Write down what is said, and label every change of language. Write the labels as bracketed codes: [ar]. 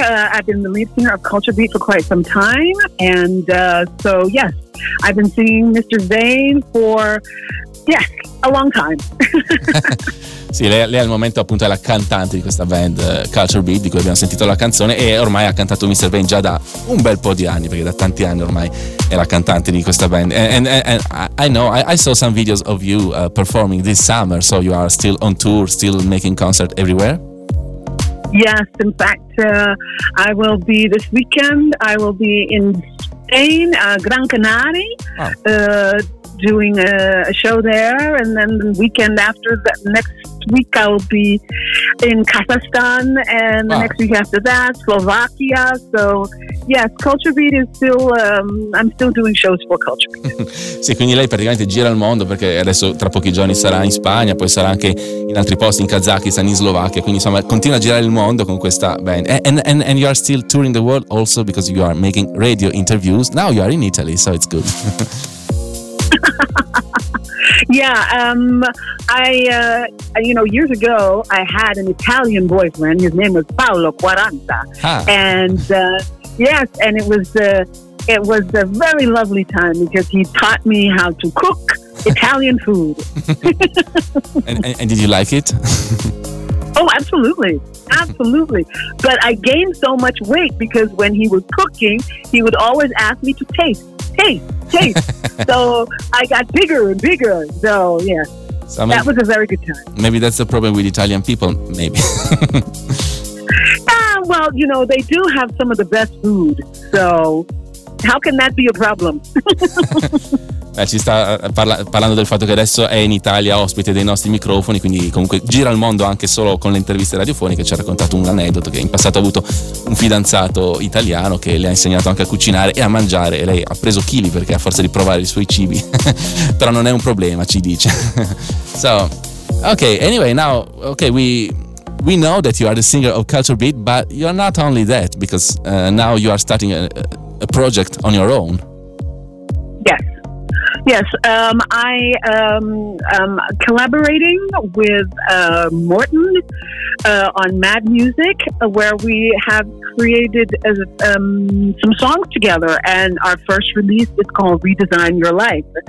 [en] I've been the lead singer of Culture Beat for quite some time, and so yes, I've been singing Mr. Zane for a long time. [it] Sì, lei al momento appunto è la cantante di questa band Culture Beat di cui abbiamo sentito la canzone e ormai ha cantato Mr. Vane già da un bel po' di anni, perché da tanti anni ormai è la cantante di questa band. [en] I saw some videos of you performing this summer, so you are still on tour, still making concerts everywhere? Yes, in fact, I will be this weekend, I will be in Spain, Gran Canaria. Doing a show there, and then the weekend after that, next week I'll be in Kazakhstan, and the next week after that Slovakia. So yes, Culture Beat is still I'm still doing shows for Culture Beat. [it] Sì, quindi lei praticamente gira il mondo, perché adesso tra pochi giorni sarà in Spagna, poi sarà anche in altri posti, in Kazakhstan, in Slovakia, quindi insomma continua a girare il mondo con questa band. [en] And you are still touring the world also because you are making radio interviews. Now you are in Italy, so it's good. Yeah, years ago I had an Italian boyfriend. His name was Paolo Quaranta. And it was a very lovely time because he taught me how to cook Italian food. and did you like it? Oh, absolutely. Absolutely. But I gained so much weight because when he was cooking, he would always ask me to taste. Hey. So I got bigger and bigger. So yeah, so that was a very good time. Maybe that's the problem with Italian people. Maybe. Well, you know, they do have some of the best food. So how can that be a problem? [it] Beh, ci sta parlando del fatto che adesso è in Italia ospite dei nostri microfoni, quindi comunque gira il mondo anche solo con le interviste radiofoniche. Ci ha raccontato un aneddoto che in passato ha avuto un fidanzato italiano che le ha insegnato anche a cucinare e a mangiare, e lei ha preso chili perché a forza di provare i suoi cibi. Però non è un problema, ci dice. [en] So, okay, anyway, now, okay, we know that you are the singer of Culture Beat, but you are not only that, because now you are starting a project on your own. Yes, I am collaborating with Morten on Mad Music, where we have created some songs together, and our first release is called Redesign Your Life.